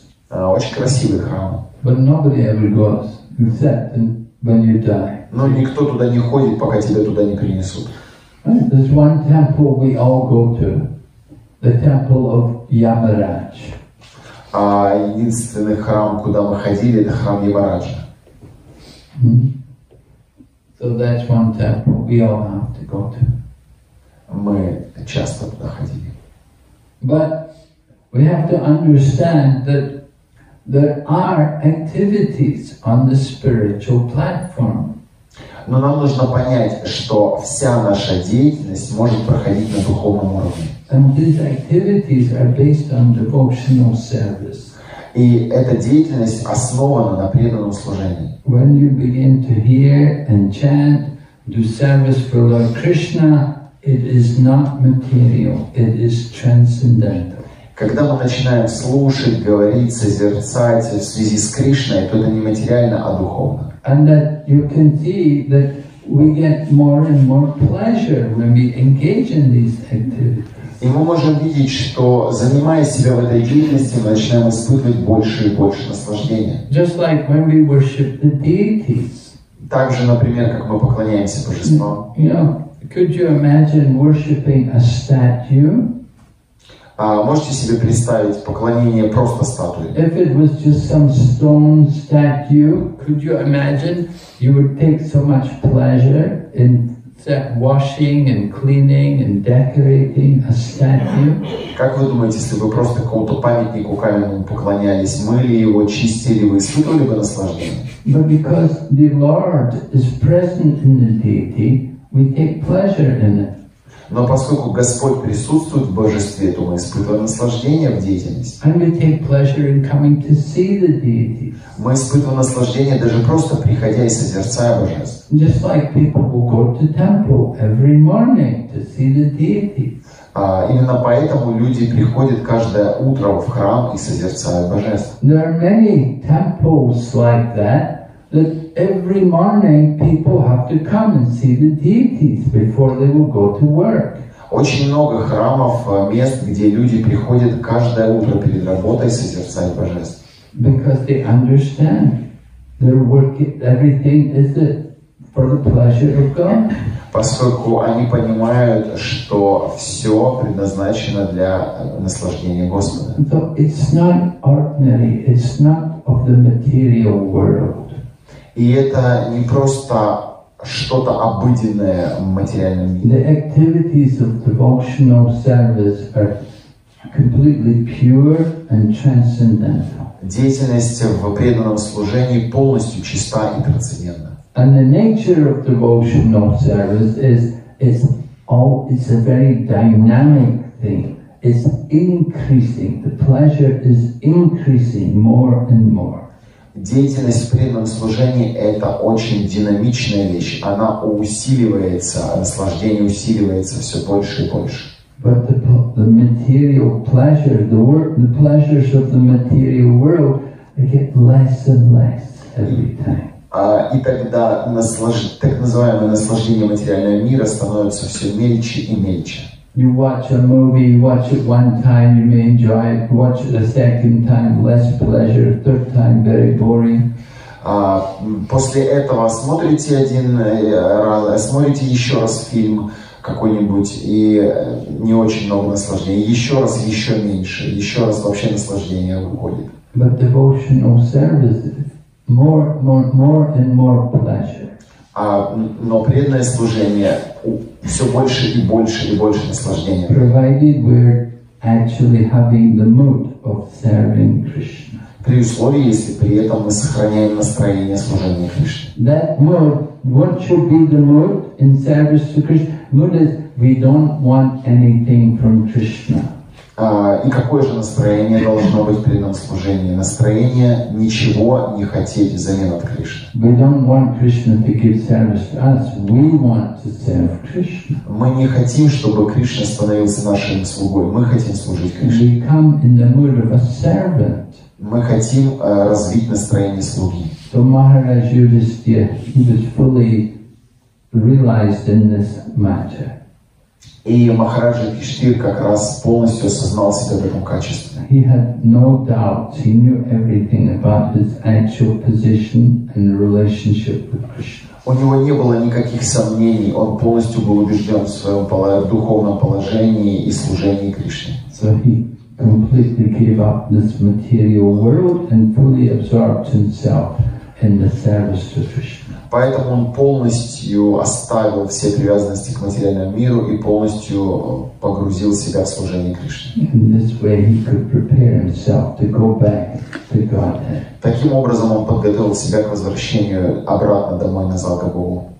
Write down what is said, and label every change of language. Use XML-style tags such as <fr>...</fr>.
<ru>Очень красивый храм. Но никто туда не ходит, пока тебя туда не принесут.</ru> <en>There's one temple we all go to, the temple of Yamaraj.</en> <ru>А единственный храм, куда мы ходили, это храм Ямараджа.</ru> <en>So that's one temple we all have to go to.</en> <ru>Мы часто туда ходили.</ru> <en>But we have to understand that there are activities on the spiritual platform.</en> <ru>Но нам нужно понять, что вся наша деятельность может проходить на духовном уровне.</ru> <en>And these activities are based on devotional service.</en> <ru>И эта деятельность основана на преданном служении.</ru> <en>When you begin to hear and chant, do service for Lord Krishna, it is not material, it is transcendental.</en> <ru>Когда мы начинаем слушать, говорить, созерцать в связи с Кришной, то это не материально, а духовно.</ru> <en>And that you can see that we get more and more pleasure when we engage in these activities.</en> <ru>И мы можем видеть, что занимая себя в этой деятельности, мы начинаем испытывать больше и больше наслаждения.</ru> <en>Just like when we worship the deities.</en> <ru>Так же, например, как мы поклоняемся божествам.</ru> <en>You know, could you imagine worshiping a statue?</en> <ru>Можете себе представить поклонение просто статуе?</ru> <en>If it was just some stone statue, could you imagine you would take so much pleasure in washing and cleaning and decorating a statue?</en> <ru>Как вы думаете, если бы просто какому-то памятнику каменному поклонялись, мыли его, чистили, вы испытывали бы наслаждение?</ru> <en>But because the Lord is present in the deity, we take pleasure in it.</en> <ru>Но поскольку Господь присутствует в Божестве, то мы испытываем наслаждение в деятельности.</ru> <en>And we take pleasure in coming to see the deity.</en> <ru>Мы испытываем наслаждение даже просто приходя и созерцая Божество.</ru> <en>Just like people will go to temple every morning to see the deity.</en> <ru>Именно поэтому люди приходят каждое утро в храм и созерцают Божество.</ru> <en>There are many temples like that. That every morning people have to come and see the deities before they will go to work.</en> <ru>Очень много храмов, мест, где люди приходят каждое утро перед работой созерцать божеств.</ru> <en>Because they understand their work, everything is for the pleasure of God.</en> <ru>Поскольку они понимают, что все предназначено для наслаждения Господа.</ru> <en>So it's not ordinary, it's not of the material world.</en> <ru>И это не просто что-то обыденное в материальном мире.</ru> <en>The activities of devotional service are completely pure and transcendental.</en> <ru>Деятельность в преданном служении полностью чиста и трансцендентна.</ru> <en>And the nature of devotional service is it's a very dynamic thing. It's increasing. The pleasure is increasing more and more.</en> <ru>Деятельность в преданном служении – это очень динамичная вещь. Она усиливается, наслаждение усиливается все больше и больше.</ru> <en>But the material pleasure, the pleasures of the material world, they get less and less every time.</en> <ru>И тогда так называемое наслаждение материального мира становится все мельче и мельче.</ru> <en>You watch a movie, you watch it one time, you may enjoy it, watch it a second time, less pleasure, third time, very boring.</en> <ru>После этого смотрите один раз, смотрите еще раз фильм какой-нибудь, и не очень много наслаждения, еще раз, еще меньше, еще раз вообще наслаждение уходит.</ru> <en>But devotional service, more and more pleasure.</en> <ru>Но преданное служение все больше и больше и больше наслаждения.</ru> <en>Provided we're actually having the mood of serving Krishna.</en> <ru>При условии, если при этом мы сохраняем настроение служения Кришне.</ru> <en>That mood, what should be the mood in service to Krishna? Mood is we don't want anything from Krishna.</en> <ru>И какое же настроение должно быть в преданном служении? Настроение ничего не хотеть взамен от Кришны.</ru> <en>We don't want Krishna to give service to us. We want to serve Krishna.</en> <ru>Мы не хотим, чтобы Кришна становился нашим слугой. Мы хотим служить Кришне.</ru> <en>We come in the mood of a servant.</en> <ru>Мы хотим развить настроение слуги.</ru> <en>So Maharaj Yudhisthira fully realized in this matter.</en> <ru>И Махарадж Юдхиштхир как раз полностью осознал себя в этом качестве.</ru> <en>He had no doubts. He knew everything about his actual position and relationship with Krishna.</en> <ru>У него не было никаких сомнений. Он полностью был убежден в своем духовном положении и служении Кришне.</ru> <en>So he completely gave up this material world and fully absorbed himself in the service to Krishna.</en> <ru>Поэтому он полностью оставил все привязанности к материальному миру и полностью погрузил себя в служение Кришне.</ru> <en>In this way he could prepare himself to go back to Godhead.</en> <ru>Таким образом он подготовил себя к возвращению обратно домой на Залгабову.</ru>